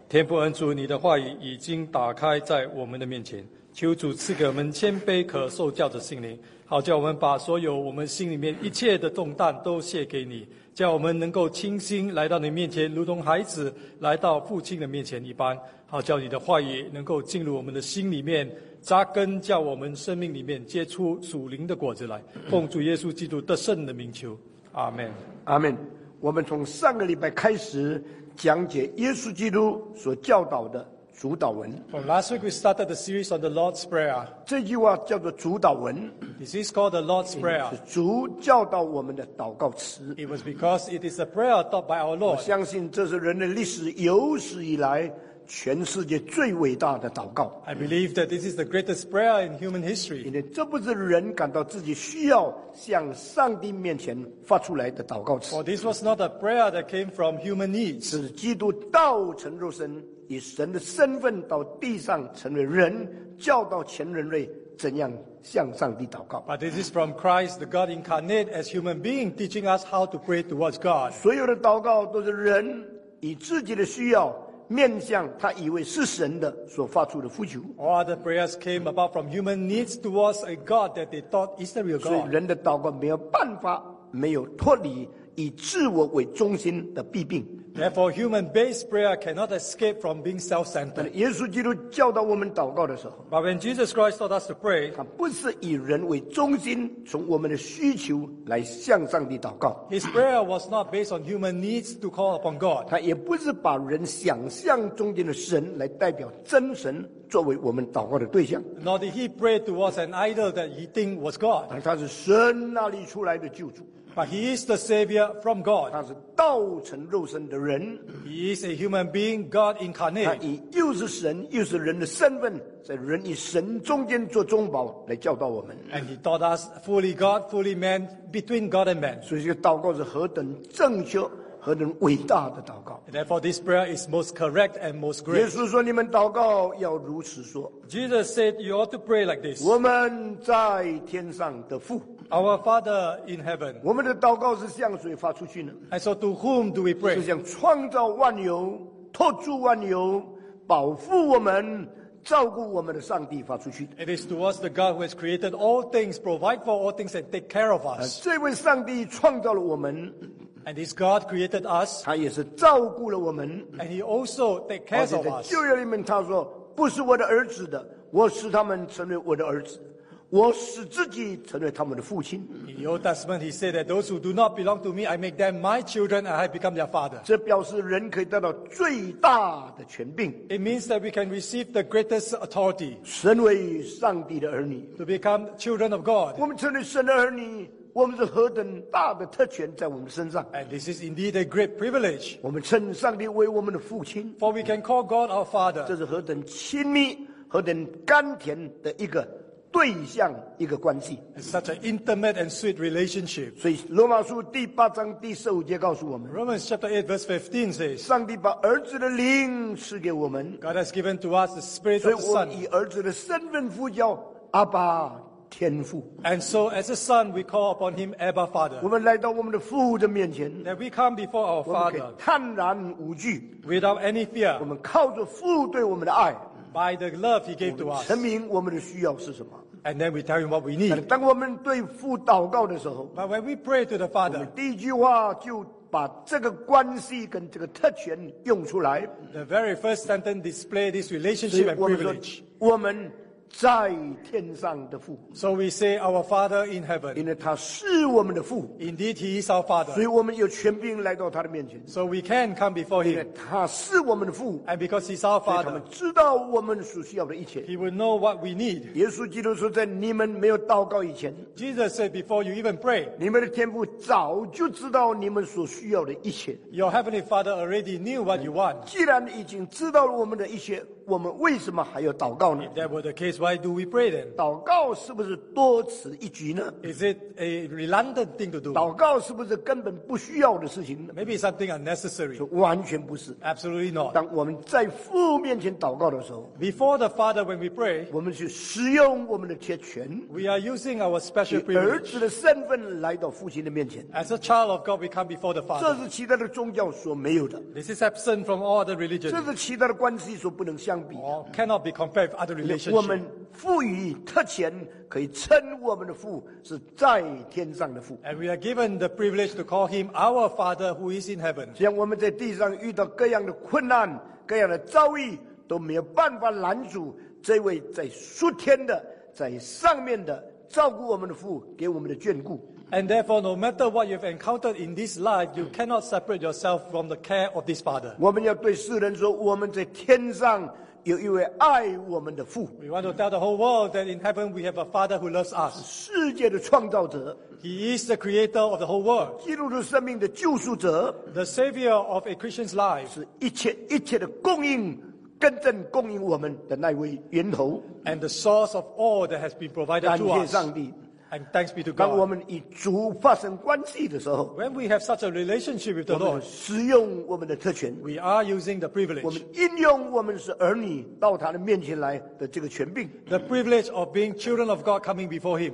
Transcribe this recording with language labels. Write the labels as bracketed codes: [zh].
[zh] 天父恩主，你的话语已经打开在我们的面前，求主赐给我们谦卑可受教的心灵，好叫我们把所有我们心里面一切的重担都卸给你，叫我们能够倾心来到你面前，如同孩子来到父亲的面前一般，好叫你的话语能够进入我们的心里面，扎根，叫我们生命里面结出属灵的果子来。奉主耶稣基督得胜的名求，阿们，阿们。我们从上个礼拜开始讲解耶稣基督所教导的主导文。 [en] From last week we started the series on the Lord's Prayer. [zh] 这句话叫做主导文。 [en] This is called the Lord's Prayer. [zh] 是主教导我们的祷告词。 [en] It was because it is a prayer taught by our Lord. [zh] 我相信这是人类历史有史以来全世界最伟大的祷告。 [en] I believe that this is the greatest prayer in human history. [zh] 因为这不是人感到自己需要向上帝面前发出来的祷告词。 [en] For this was not a prayer that came from human needs. [zh] 是基督道成肉身，以神的身份到地上成为人，教导全人类怎样向上帝祷告。 [en] But this is from Christ, the God incarnate as human being, teaching us how to pray towards God. [zh] 所有的祷告都是人以自己的需要面向他以为是神的所发出的呼求。 [en] All the prayers came about from human needs towards a God that they thought is the real God. [zh] 所以人的祷告没有办法没有脱离以自我为中心的弊病。 [en] Therefore, human-based prayer cannot escape from being self-centered. [zh] 耶稣基督教导我们祷告的时候， [en] But when Jesus Christ taught us to pray, [zh] 他不是以人为中心，从我们的需求来向上帝祷告。 [en] His prayer was not based on human needs to call upon God. [zh] 他也不是把人想象中间的神来代表真神作为我们祷告的对象。 [en] Nor did he pray towards an idol that he think was God. [zh] 他是神那里出来的救主。 [en] But he is the savior from God. [zh] 他是道成肉身的人。 [en] He is a human being, God incarnate. [zh] 他以又是神又是人的身份，在人与神中间做中保来教导我们。 [en] And he taught us fully God, fully man, between God and man. [zh] 所以这个祷告是何等正确，何等伟大的祷告。 [en] Therefore, this prayer is most correct and most great. [zh] 耶稣说：“你们祷告要如此说。” [en] Jesus said, "You ought to pray like this." [zh] 我们在天上的父。 [en] Our Father in heaven. [zh] 我们的祷告是向谁发出去呢？ [en] And so to whom do we pray? [zh] 是向创造万有、托住万有、保护我们、照顾我们的上帝发出去。 [en] It is towards the God who has created all things, provide for all things, and take care of us. [zh] 这位上帝创造了我们。 [en] And this God created us. [zh] 他也是照顾了我们。 [en] And he also take care of us. [zh] 而且在旧约里面他说，不是我的儿子的，我使他们成为我的儿子。我使自己成为他们的父亲。 [en] In the Old Testament, he said that those who do not belong to me, I make them my children, and I become their father. [zh] 这表示人可以得到最大的权柄。 [en] It means that we can receive the greatest authority. [zh] 身为上帝的儿女。 [en] To become children of God. [zh] 我们成为神的儿女，我们是何等大的特权在我们身上。 [en] And this is indeed a great privilege. [zh] 我们称上帝为我们的父亲。 [en] For we can call God our Father. [zh] 这是何等亲密、何等甘甜的一个对象、一个关系。 [en] It's such an intimate and sweet relationship. [zh] 所以罗马书第八章第十五节告诉我们。 [en] Romans chapter 8 verse 15 says. [zh] 上帝把儿子的灵赐给我们。 [en] God has given to us the Spirit of the Son. [zh] 所以我们以儿子的身份呼叫阿爸。天父 [en] And so as a son, we call upon him Abba Father. [zh] 我们来到我们的父的面前 [en] That we come before our Father. [zh] 我们可以坦然无惧 [en] Without any fear. [zh] 我们靠着父对我们的爱 [en] By the love he gave to us. [zh] 我们陈明我们的需要是什么 [en] And then we tell him what we need. [zh] 当我们对父祷告的时候 [en] But when we pray to the Father. [zh] 我们第一句话就把这个关系跟这个特权用出来 [en] The very first sentence display this relationship and privilege. [zh] 所以我们说我们在天上的父 [en] So we say our Father in heaven [zh] 因为他是我们的父 [en] Indeed he is our Father [zh] 所以我们有权柄来到他的面前 [en] So we can come before him [zh] 因为他是我们的父 [en] And because he is our Father [zh] 所以他们知道我们所需要的一切 [en] He will know what we need [zh] 耶稣基督说在你们没有祷告以前 [en] Jesus said before you even pray [zh] 你们的天父早就知道你们所需要的一切 [en] Your heavenly Father already knew what you want [zh] 既然已经知道了我们的一切我们为什么还要祷告呢 [en] If that were the case, why do we pray then? [zh] 祷告是不是多此一举呢 [en] Is it a redundant thing to do? [zh] 祷告是不是根本不需要的事情呢 [en] Maybe something unnecessary. [zh] 完全不是 [en] Absolutely not. [zh] 当我们在父面前祷告的时候 [en] Before the Father when we pray, [zh] 我们去使用我们的特权 [en] We are using our special privilege. [zh] 以儿子的身份来到父亲的面前 [en] As a child of God, we come before the Father. [zh] 这是其他的宗教所没有的 [en] This is absent from all the religions. [zh] 这是其他的关系所不能相 [en] Or cannot be compared with other relationships. [zh] 我们赋予特权，可以称我们的父是在天上的父。 [en] And we are given the privilege to call him our Father who is in heaven. [zh] 虽然我们在地上遇到各样的困难、各样的遭遇，都没有办法拦阻这位在属天的、在上面的照顾我们的父给我们的眷顾。 [en] And therefore, no matter what you've encountered in this life, you cannot separate yourself from the care of this Father. [zh] 我们要对世人说，我们在天上有一位爱我们的父。 [en] We want to tell the whole world that in heaven we have a Father who loves us. [zh] 世界的创造者。 [en] He is the creator of the whole world. [zh] 基督徒生命的救赎者。 [en] The savior of a Christian's life. [zh] 是一切一切的供应。真正供应我们的那位源头 [en] and the source of all that has been provided to us [zh] 感谢上帝 [en] and thanks be to God [zh] 当我们与主发生关系的时候 [en] when we have such a relationship with the Lord [zh] 我们使用我们的特权 [en] we are using the privilege [zh] 我们应用我们是儿女到他的面前来的这个权柄 [en] the privilege of being children of God coming before him